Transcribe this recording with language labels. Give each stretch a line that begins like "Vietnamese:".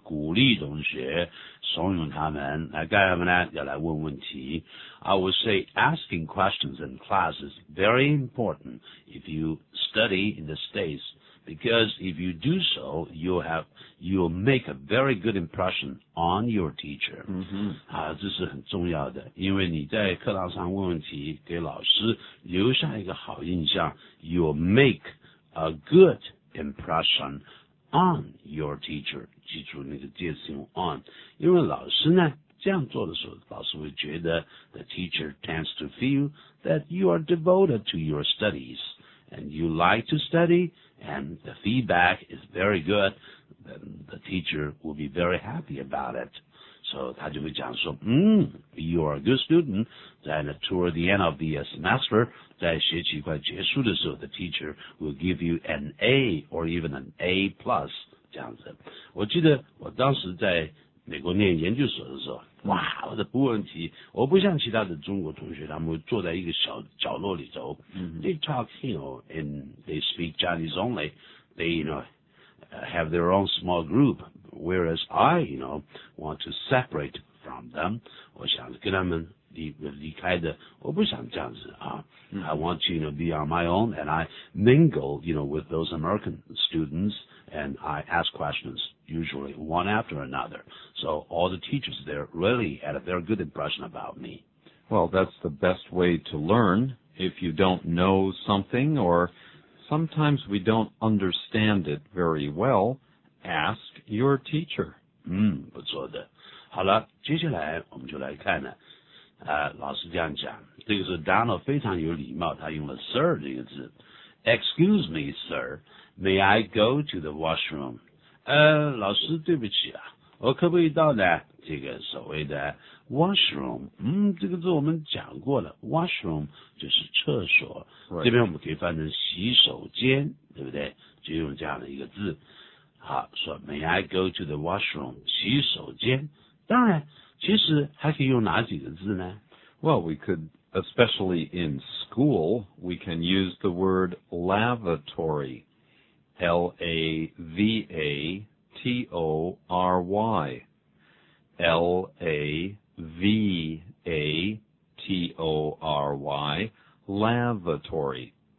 Chinese: 鼓励同学怂恿他们来干什么呢要来问问题。
English: I would say asking questions in class is very important if you study in the States, because if you do so, you'll make a very good impression on your teacher.、 Mm-hmm.
Chinese: 啊、这是很重要的，因为你在课堂上问问题给老师留下一个好印象，
English: you'll make a good impression. On your teacher,
Chinese: 记住那个介词用
English: on,
Chinese: 因为老师呢这样做的时候，老师会觉得
English: the teacher tends to feel that you are devoted to your studies and you like to study and the feedback is very good, then the teacher will be very happy about it. So
Chinese: 他就会讲说，
English: you are a good student, 在 toward the end of the semester,
Chinese: 在学期快结束的时候
English: the teacher will give you an A or even an A plus,
Chinese: 这样子。我记得我当时在美国念研究所的时候，哇，我的不问题，我不像其他的中国同学，他们坐在一个小角落里头、
English: they talk, you know, and they speak Chinese only, they, you know, have their own small group,Whereas I, you know, want to separate from them.
Chinese: 我想跟他们离开的，我不想这样子啊。
English: I want to, you know, be on my own, and I mingle, you know, with those American students, and I ask questions, usually one after another. So all the teachers there really had a very good impression about me. Well, that's the best way to learn. If you don't know something, or sometimes we don't understand it very well,Ask your teacher.
Chinese: 不错的。好了，接下来我们就来看呢。老师这样讲，这个是 Donald 非常有礼貌，他用了 Sir 这个字。
English: Excuse me, sir. May I go to the washroom?
Chinese: 老师对不起啊，我可不可以到呢？这个所谓的 washroom， 这个字我们讲过了。 Washroom 就是厕所，
English: right.
Chinese: 这边我们可以翻成洗手间，对不对？就用这样的一个字。好，说
English: May I go to the washroom
Chinese: 洗手间？当然，其实还可以用哪几个字呢
English: ？Well, we could, especially in school, we can use the word lavatory, L-A-V-A-T-O-R-Y, L-A-V-A-T-O-R-Y, lavatory.